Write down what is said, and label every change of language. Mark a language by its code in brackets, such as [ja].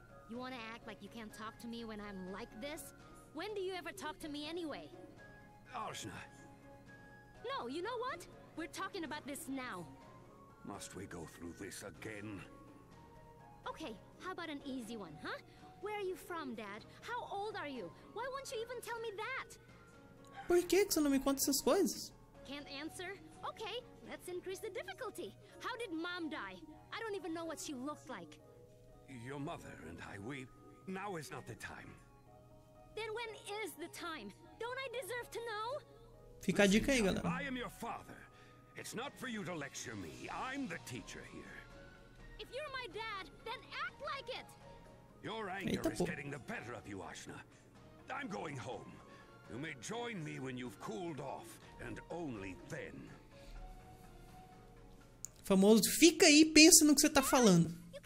[en] You want to act like you can't talk to me when I'm like this? When do you ever talk to me anyway? Ashna. No, you know what? We're talking about this now. Must we go through this again? Okay, how about an easy one, huh? Where are you from, Dad? How old are you? Why won't you even tell me that? [pt] Por que você não me conta essas coisas? [en] Can't answer? Okay. Let's increase the difficulty. How did Mom die? I don't even know what she looked like. Your mother and I, we... Now is not the time. Then when is the time? Don't I deserve to know? [pt] Fica a dica aí, galera. [en] I am your father. It's not for you to lecture me. I'm the teacher here. If you're my dad, then act like it. Your anger is getting the better of you, Ashna. I'm going home. You may join me when you've cooled off, and only then. [pt] famoso, fica aí e pensa no que você tá falando.